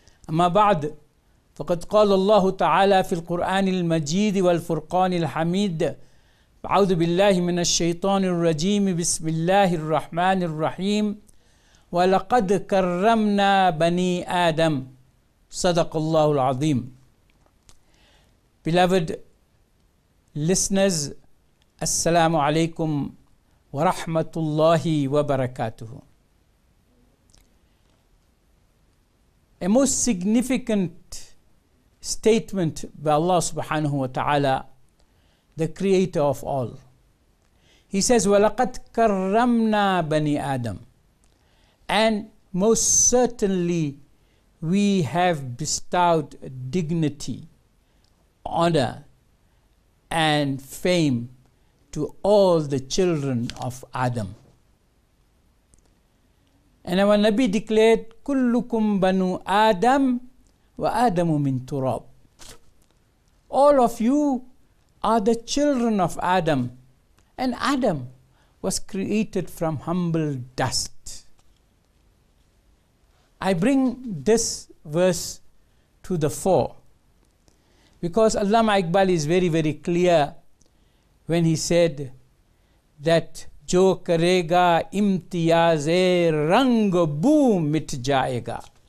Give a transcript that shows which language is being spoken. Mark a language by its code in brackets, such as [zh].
[ar] أما بعد فقد قال الله تعالى في القرآن المجيد والفرقان الحميد أعوذ بالله من الشيطان الرجيم بسم الله الرحمن الرحيم ولقد كرمنا بني آدم صدق الله العظيم. [en] Beloved listeners, [ar] السلام عليكم ورحمة الله وبركاته. [en] A most significant statement by Allah subhanahu wa ta'ala, the creator of all. He says, [ar] وَلَقَدْ كَرَّمْنَا بَنِي آدَمْ, [en] and most certainly we have bestowed dignity, honor, and fame to all the children of Adam. And our Nabi declared, [ar] كُلُّكُمْ بَنُو آدَمْ وَآدَمُ مِنْ تُرَابْ. [en] All of you are the children of Adam, and Adam was created from humble dust. I bring this verse to the fore because Allama Iqbal is very, very clear when he said that [ur] Jo karega imtiyaze rang bu mit jayega.